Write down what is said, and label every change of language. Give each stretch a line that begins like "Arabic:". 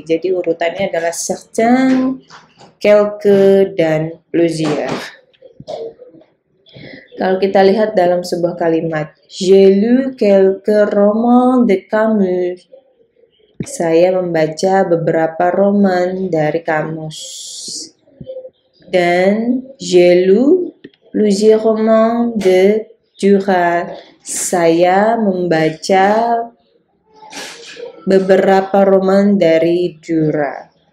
Indonesian: Jadi urutannya adalah certain, quelque, dan plusieurs. Kalau kita lihat dalam sebuah kalimat,
French: j'ai lu quelques romans de Camus.
Indonesian: Saya membaca beberapa roman dari Camus. Dan
French: j'ai lu plusieurs romans de Duras.
Indonesian: Saya membaca beberapa roman dari Duras.